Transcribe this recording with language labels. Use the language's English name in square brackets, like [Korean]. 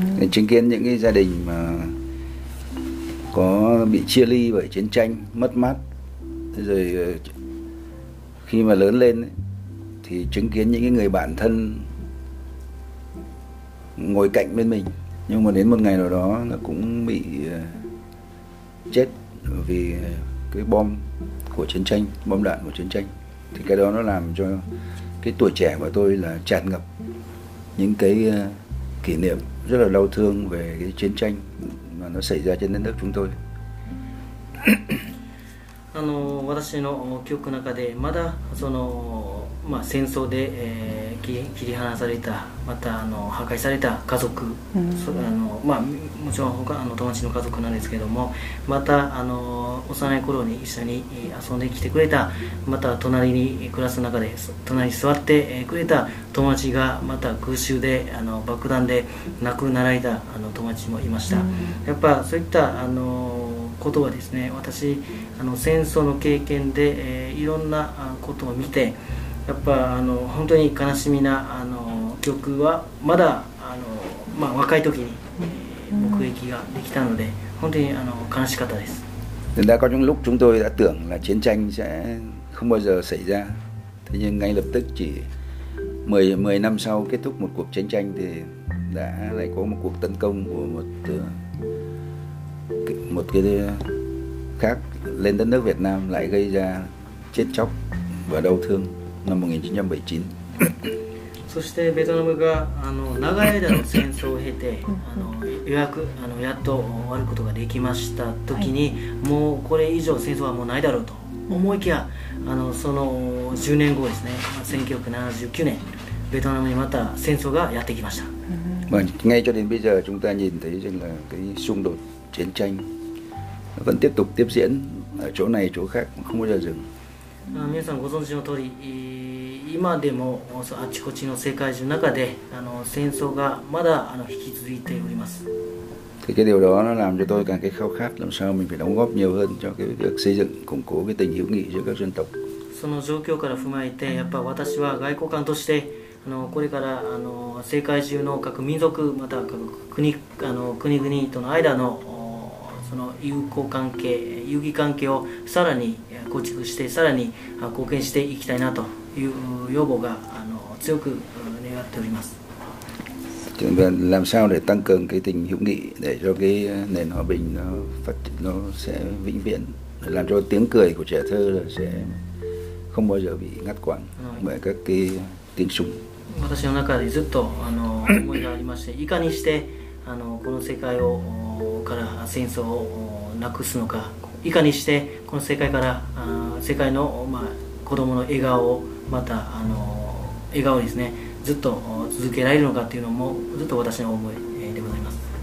[Vietnamese] chứng kiến những cái gia đình mà có bị chia ly bởi chiến tranh, mất mát, rồi khi mà lớn lên thì chứng kiến những cái người bạn thân ngồi cạnh bên mình, nhưng mà đến một ngày nào đó nó cũng bị chết vì cái bom của chiến tranh, bom đạn của chiến tranh. Thì cái đó nó làm cho cái tuổi trẻ của tôi là tràn ngập những cái kỷ niệm rất là đau thương về cái chiến tranh mà nó xảy ra trên đất nước chúng tôi. [Japanese] 私の記憶の中でまだ戦争で、切り離されたまた破壊された家族、うん、それまあ、もちろん他の友達の家族なんですけども、また幼い頃に一緒に遊んできてくれた、また隣に暮らす中で隣に座ってくれた友達がまた空襲で爆弾で亡くなられた友達もいました、うん、やっぱそういったことはですね、私戦争の経験で、いろんなことを見て、やっぱ本当に悲しみな曲はまだまあ、若い時に、目撃ができたので、うん、本当に悲しかったです。 [Vietnamese] Đã có những lúc chúng tôi đã tưởng là chiến tranh sẽ không bao giờ xảy ra. Thế nhưng ngay lập tức chỉ 10 năm sau kết thúc một cuộc chiến tranh thì đã lại có một cuộc tấn công của một cái khác lên đất nước Việt Nam, lại gây ra chết chóc và đau thương năm 1979. [Japanese] そしてベトナムが長い間の戦争を経て、ようやくやっと終わることができました時に、はい、もうこれ以上戦争はもうないだろうと思いきや、その10年後ですね、1979年、ベトナムにまた戦争がやってきました。 [Vietnamese] まあ、ngay cho đến bây giờ chúng ta nhìn thấy rằng là cái xung đột chiến tranh vẫn tiếp tục tiếp diễn ở chỗ này chỗ khác không bao giờ dừng。 [Japanese] 皆さんご存知の通り、今でもあちこちの世界中の中で戦争がまだ引き続いております。 [Vietnamese] Thì cái điều đó nó làm cho tôi càng cái khao khát làm sao mình phải đóng góp nhiều hơn cho cái việc xây dựng củng cố cái tình hữu nghị giữa các dân tộc。 [Japanese] その状況から踏まえて、やっぱ私は外交官としてこれから世界中の各民族また各国国々との間のその友好関係友谊関係をさらに構築してさらに貢献していきたいなという要望が強く願っております。 [Vietnamese] làm sao để tăng cường cái tình hữu nghị để cho cái nền hòa bình nó phát triển nó sẽ vĩnh viễn, làm cho tiếng cười của trẻ thơ sẽ không bao giờ bị ngắt quãng bởi các cái tiếng súng。 [Japanese] 私の中でずっと思いがありまして、いかにしてこの世界をから戦争をなくすのか、いかにしてこの世界から世界の、まあ、子供の笑顔をまた笑顔をですねずっと続けられるのかっていうのもずっと私の思いでございます。